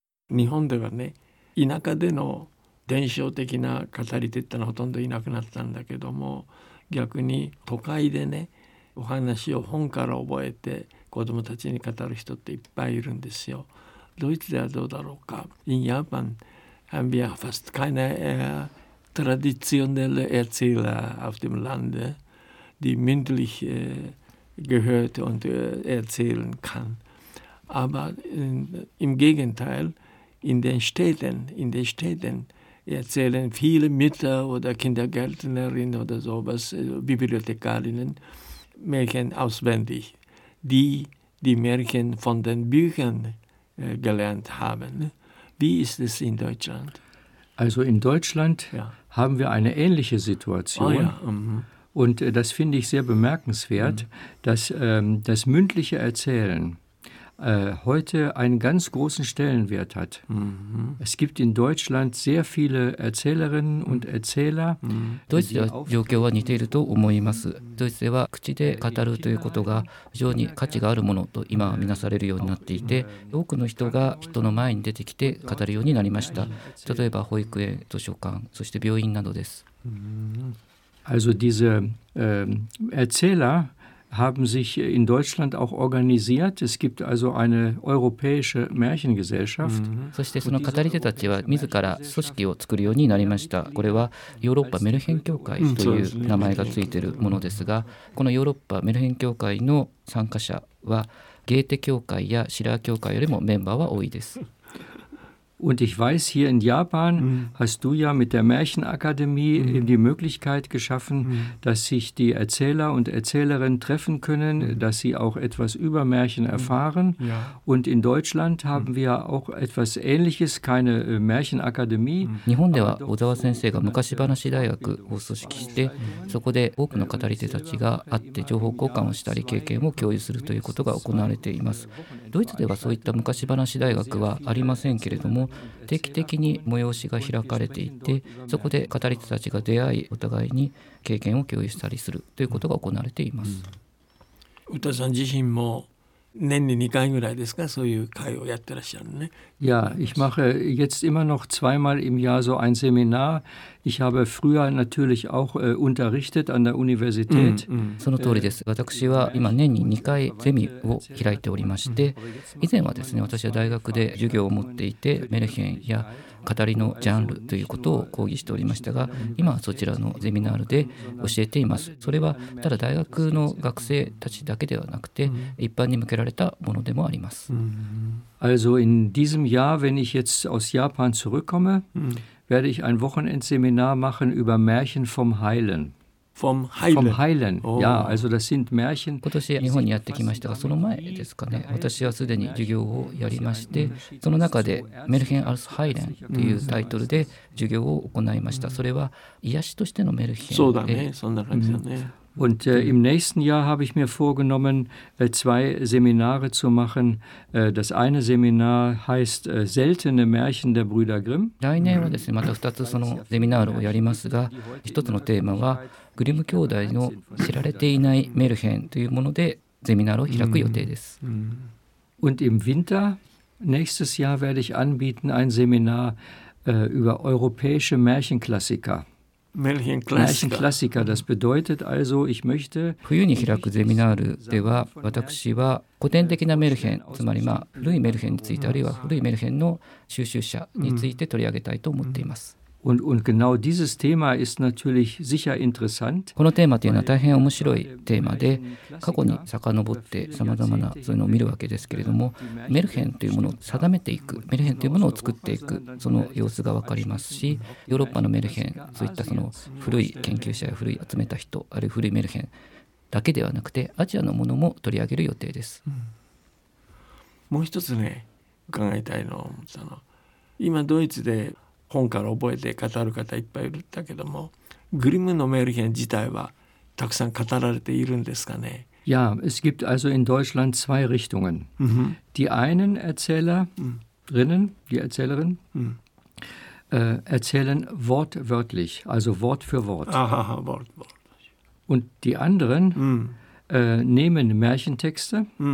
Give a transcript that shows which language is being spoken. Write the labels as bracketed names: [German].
[Japanese] 日本ではね、田舎での伝承的な語り手ってのはほとんどいなくなったんだけども、逆に都会でね、お話を本から覚えて子供たちに語る人っていっぱいいるんですよ。ドイツではどうだろうか。 [German] In Japan haben wir fast keine traditionelle Erzähler auf dem Lande, die mündlich gehört und erzählen kann. Aber im Gegenteil, in den Städten erzählen viele Mütter oder Kindergärtnerinnen oder sowas, Bibliothekarinnen, Märchen auswendig, die Märchen von den Büchern gelernt haben. Wie ist es in Deutschland? Also in Deutschland, ja, haben wir eine ähnliche Situation. Oh ja, mhm. Und das finde ich sehr bemerkenswert, dass das mündliche Erzählen heute einen ganz großen Stellenwert hat. Mhm. Es gibt in Deutschland sehr viele Erzählerinnen und Erzähler. [Japanese] ドイツでは状況は似ていると思います。ドイツでは口で語るということが非常に価値があるものと今は見なされるようになっていて、多くの人が人の前に出てきて語るようになりました。例えば保育園、図書館、そして病院などです。 [German] Also diese Erzähler haben sich in Deutschland auch organisiert. Es gibt also eine europäische Märchengesellschaft. [Japanese] そしてその語り手たちは自ら組織を作るようになりました。これはヨーロッパメルヘン協会という名前がついているものですが、このヨーロッパメルヘン協会の参加者はゲーテ協会やシラー協会よりもメンバーは多いです。 [German] Und ich weiß, hier in Japan hast du ja mit der Märchenakademie die Möglichkeit geschaffen, dass sich die Erzähler und Erzählerinnen treffen können, dass sie auch etwas über Märchen erfahren. Und in Deutschland haben wir auch etwas Ähnliches, keine Märchenakademie. [Japanese] 日本では小沢先生が昔話大学を組織して、そこで多くの語り手たちが会って情報交換をしたり、経験を共有するということが行われています。ドイツではそういった昔話大学はありませんけれども、定期的に催しが開かれていて、そこで語り手たちが出会い、お互いに経験を共有したりするということが行われています。ウタさん自身も年に2回ぐらいですか、そういう会をやってらっしゃるね。 [German] Ja, ich mache jetzt immer noch zweimal im Jahr so ein Seminar. Ich habe früher natürlich auch unterrichtet an der Universität. [Japanese] その通りです。私は今年に2回ゼミを開いておりまして、以前はですね、私は大学で授業を持っていて、メルヘンや語りのジャンルということを講義しておりましたが、今はそちらのゼミナールで教えています。それはただ大学の学生たちだけではなくて、一般に向けられたものでもあります。 [German] Also in diesem Jahr, wenn ich jetzt aus Japan zurückkomme, werde ich ein Wochenendseminar machen über Märchen vom Heilen. Vom Heilen. Vom Heilen. Oh. Ja, also das sind Märchen. [Japanese] 今年日本にやってきましたが、その前ですかね、私はすでに授業をやりまして、その中でメルヘン・アルス・ハイレンというタイトルで授業を行いました。それは癒しとしてのメルヘン。そうだね、そんな感じだね。 [German] Und im nächsten Jahr habe ich mir vorgenommen, zwei Seminare zu machen. Das eine Seminar heißt Seltene Märchen der Brüder Grimm. [Japanese] 来年はですね、また2つそのセミナールをやりますが、1つのテーマはグリム兄弟の知られていないメルヘンというものでセミナールを開く予定です。 [German] Und im Winter nächstes Jahr werde ich anbieten ein Seminar über europäische Märchenklassiker. Märchenklassiker, das bedeutet also, ich möchte [Japanese] 冬に開くセミナールでは、私は古典的なメルヘン、つまり、まあ、古いメルヘンについて、あるいは古いメルヘンの収集者について取り上げたいと思っています。 [German] Und genau dieses Thema ist natürlich sicher interessant. [Japanese] このテーマというのは大変面白いテーマで、過去に遡ってさまざまなそういうのを見るわけですけれども、メルヘンというものを定めていく、メルヘンというものを作っていく、その様子がわかりますし、ヨーロッパのメルヘン、そういったその古い研究者や古い集めた人、あるいは古いメルヘンだけではなくて、アジアのものも取り上げる予定です。もう一つね、伺いたいのは、その今ドイツで本から覚えて語る方いっぱいいるんだけども、グリムのメルヘン自体はたくさん語られているんですかね。 [German] Ja, es gibt also in Deutschland zwei Richtungen. Die einen Erzählerinnen, die Erzählerinnen, erzählen wortwörtlich, also Wort für Wort. Aha, wortwörtlich. Und die anderen nehmen Märchentexte.